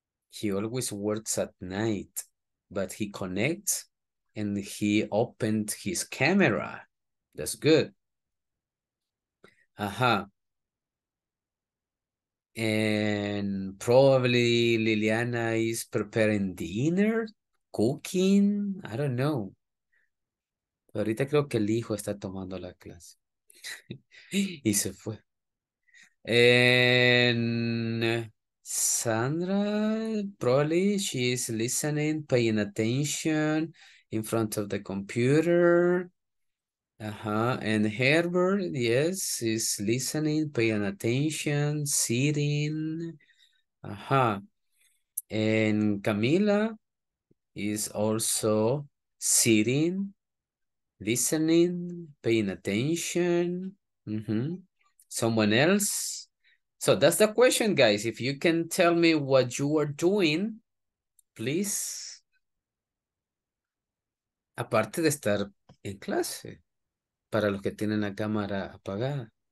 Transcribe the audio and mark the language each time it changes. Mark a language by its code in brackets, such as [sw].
[en] He always works at night, but he connects and he opened his camera. That's good. And probably Liliana is preparing dinner, cooking, I don't know. [es] Ahorita creo que el hijo está tomando la clase. Y se fue. [en] And Sandra, probably she's listening, paying attention in front of the computer. And Herbert, yes, is listening, paying attention, sitting. And Camila is also sitting, listening, paying attention. Someone else? So that's the question, guys. If you can tell me what you are doing, please. [es] Aparte de estar en clase, para los que tienen la cámara apagada.